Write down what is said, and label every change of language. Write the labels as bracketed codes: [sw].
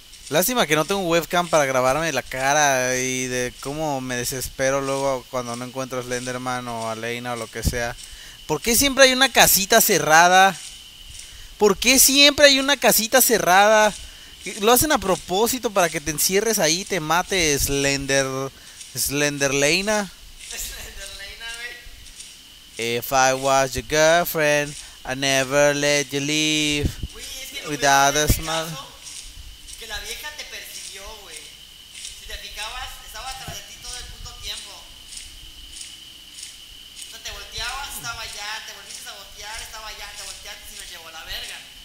[es] Lástima que no tengo un webcam para grabarme la cara y de cómo me desespero luego cuando no encuentro a Slenderman o a Leina o lo que sea. ¿Por qué siempre hay una casita cerrada? ¿Por qué siempre hay una casita cerrada? Lo hacen a propósito para que te encierres ahí y te mate Slender. Slender Leina. Slender Leina, [en] güey. If I was your girlfriend, I'd never let you leave. [es] Cuidado, es más. Que la vieja te persiguió, güey. Si te picabas, estaba atrás de ti todo el puto tiempo. O sea, te volteabas, estaba allá. Te volviste a voltear, estaba allá. Te volteaste y me llevó a la verga.